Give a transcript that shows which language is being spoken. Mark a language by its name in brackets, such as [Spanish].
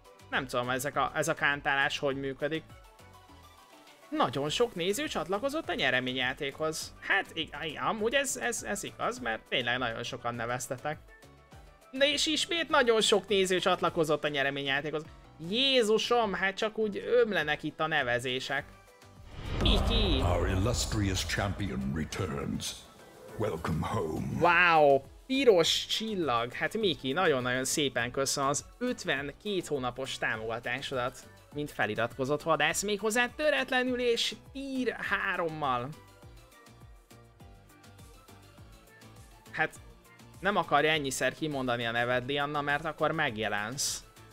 [Hungarian] Nem tudom, ez a kántálás hogy működik. Nagyon sok néző csatlakozott a nyereményjátékhoz. Hát igen, amúgy ez igaz, mert tényleg nagyon sokan neveztetek. Na és ismét nagyon sok néző csatlakozott a nyereményjátékhoz. Jézusom, hát csak úgy ömlenek itt a nevezések. Miki! [English] Our illustrious champion returns. Welcome home. [Hungarian] Wow, piros csillag. Hát Miki, nagyon-nagyon szépen köszönöm az 52 hónapos támogatásodat, mint feliratkozott vadász, méghozzá töretlenül és tier 3-mal. Hát nem akarja ennyiszer kimondani a neved, Lianna, mert akkor megjelensz.